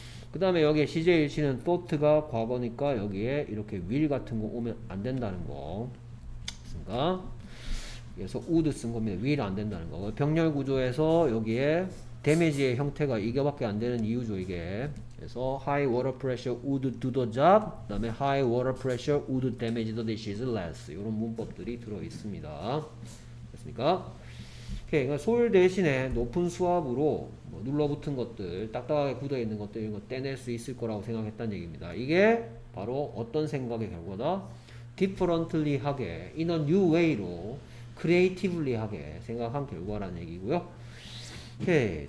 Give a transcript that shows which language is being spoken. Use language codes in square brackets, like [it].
[ko] 그다음에 여기에 시제일치는 thought가 과거니까 여기에 이렇게 will 같은 거 오면 안 된다는 거. 그래서 would 쓴 겁니다. will 안 된다는 거. 병렬 구조에서 여기에 데미지의 형태가 이거밖에 안 되는 이유죠, 이게. 그래서 [en] high water pressure would do the job, [ko] 그 다음에 [en] high water pressure would damage the dishes less. [ko] 이런 문법들이 들어있습니다. 됐습니까? 오케이, 솔 대신에 높은 수압으로 뭐 눌러붙은 것들, 딱딱하게 굳어있는 것들 이런 거 떼낼 수 있을 거라고 생각했다는 얘기입니다. 이게 바로 어떤 생각의 결과다? differently하게, in a new way로 creatively하게 생각한 결과라는 얘기고요. 오케이.